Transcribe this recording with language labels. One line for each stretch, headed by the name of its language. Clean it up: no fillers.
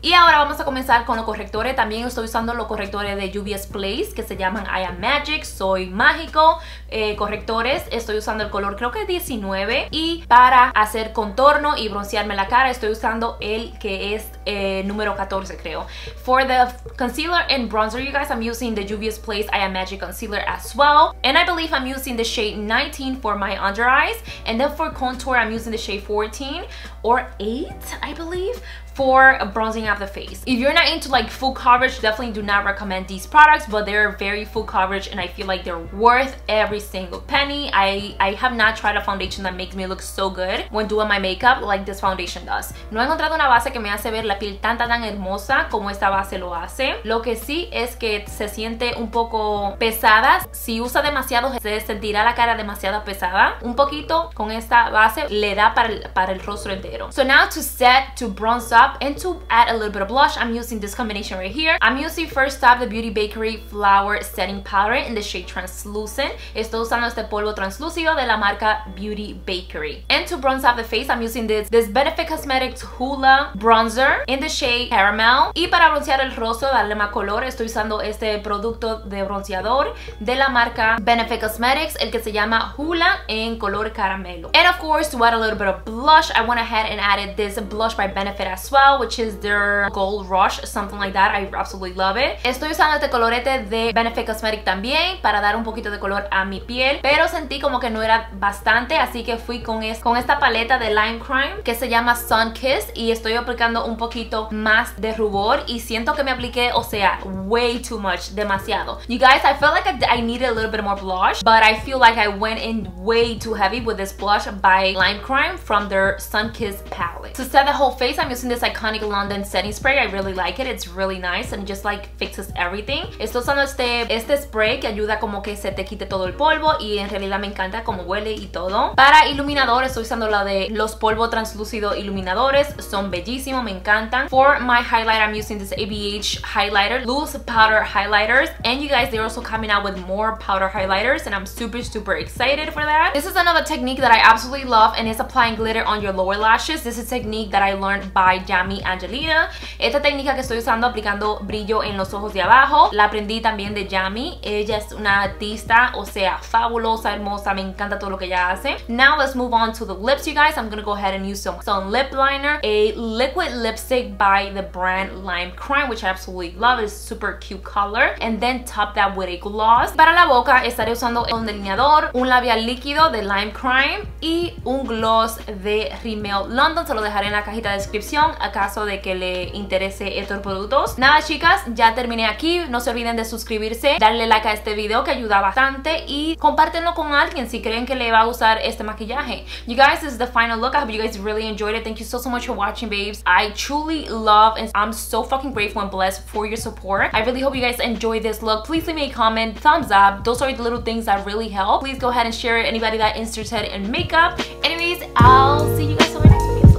Spanish: Y ahora vamos a comenzar con los correctores. También estoy usando los correctores de Juvia's Place que se llaman I Am Magic, Soy Mágico, correctores. Estoy usando el color, creo que 19. Y para hacer contorno y broncearme la cara, estoy usando el que es número 14, creo.
English: For the concealer and bronzer, you guys, I'm using the Juvia's Place I Am Magic Concealer as well. And I believe I'm using the shade 19 for my under eyes. And then for contour, I'm using the shade 14 or 8, I believe, for bronzing up the face. If you're not into like full coverage, definitely do not recommend these products, but they're very full coverage and I feel like they're worth every single penny. I have not tried a foundation that makes me look so good when doing my makeup like this foundation does.
Spanish: No he encontrado una base que me hace ver la piel tan hermosa como esta base lo hace. Lo que sí es que se siente un poco pesada. Si usa demasiado, se sentirá la cara demasiado pesada. Un poquito con esta base le da para el rostro entero.
English: So now to set to bronze up and to add a little bit of blush, I'm using this combination right here. I'm using first up the Beauty Bakery Flower Setting Powder in the shade Translucent.
Spanish: Estoy usando este polvo translúcido de la marca Beauty Bakery.
English: And to bronze up the face, I'm using this Benefit Cosmetics Hoola Bronzer in the shade Caramel.
Spanish: Y para broncear el rostro, darle más color, estoy usando este producto de bronceador de la marca Benefit Cosmetics, el que se llama Hoola en color caramelo.
English: And of course, to add a little bit of blush, I went ahead and added this blush by Benefit as well, which is their Gold Rush, something like that. I absolutely love it.
Spanish: Estoy usando este colorete de Benefit Cosmetic también para dar un poquito de color a mi piel, pero sentí como que no era bastante, así que fui con esta paleta de Lime Crime que se llama Sun Kiss y estoy aplicando un poquito más de rubor y siento que me apliqué, o sea,
English: way too much,
Spanish: demasiado.
English: You guys, I felt like I needed a little bit more blush, but I feel like I went in way too heavy with this blush by Lime Crime from their Sun Kiss palette. To set the whole face, I'm using this Iconic London setting spray. I really like it. It's really nice and just like fixes everything.
Spanish: Estoy usando este spray que ayuda como que se te quite todo el polvo y en realidad me encanta como huele y todo. Para iluminador, estoy usando la de los polvos translúcidos iluminadores. Son bellísimos, me encantan.
English: For my highlighter, I'm using this ABH highlighter, loose powder highlighters. And you guys, they're also coming out with more powder highlighters and I'm super, super excited for that. This is another technique that I absolutely love and it's applying glitter on your lower lashes. This is a technique that I learned by Yami Angelina.
Spanish: Esta técnica que estoy usando aplicando brillo en los ojos de abajo, la aprendí también de Yami. Ella es una artista, o sea, fabulosa, hermosa, me encanta todo lo que ella hace.
English: Now let's move on to the lips, you guys. I'm gonna go ahead and use some lip liner, a liquid lipstick by the brand Lime Crime, which I absolutely love. It's super cute color. And then top that with a gloss.
Spanish: Para la boca estaré usando un delineador, un labial líquido de Lime Crime y un gloss de Rimmel London. Se lo dejaré en la cajita de descripción a caso de que le interese estos productos. Nada, chicas, ya terminé aquí. No se olviden de suscribirse, darle like a este video que ayuda bastante y compártelo con alguien si creen que le va a usar este maquillaje.
English: You guys, this is the final look. I hope you guys really enjoyed it. Thank you so much for watching, babes. I truly love and I'm so fucking grateful and blessed for your support. I really hope you guys enjoy this look. Please leave me a comment, thumbs up. Those are the little things that really help. Please go ahead and share it. Anybody that interested in makeup. Anyways, I'll see you guys on my next video.